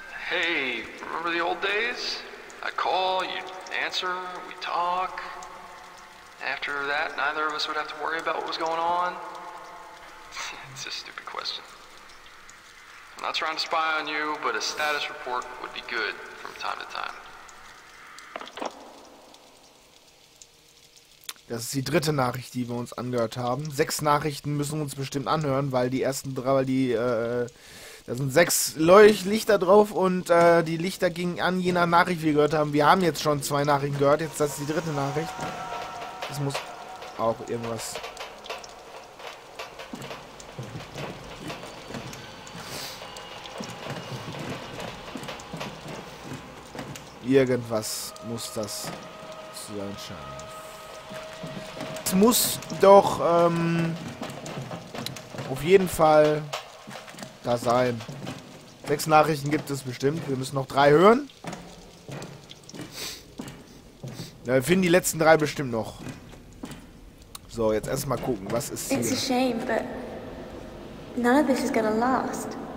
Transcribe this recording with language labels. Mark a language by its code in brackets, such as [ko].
[en] Hey, remember the old days? I call, you answer, we talk. After that, neither of us would have to worry about what was going on. It's a stupid question. I'm not trying to spy on you, but a status report would be good from time to time. [de] Das ist die dritte Nachricht, die wir uns angehört haben. Sechs Nachrichten müssen wir uns bestimmt anhören, weil die ersten drei, weil die, da sind sechs Lichter drauf und die Lichter gingen an, je nach Nachricht, die wir gehört haben. Wir haben jetzt schon zwei Nachrichten gehört, jetzt das ist die dritte Nachricht. Das muss auch irgendwas... Irgendwas muss das zu sein scheinen. Es muss doch auf jeden Fall da sein. Sechs Nachrichten gibt es bestimmt. Wir müssen noch drei hören. Ja, wir finden die letzten drei bestimmt noch. So, jetzt erstmal gucken, was ist hier. [en] It's a shame, but none of this is gonna last.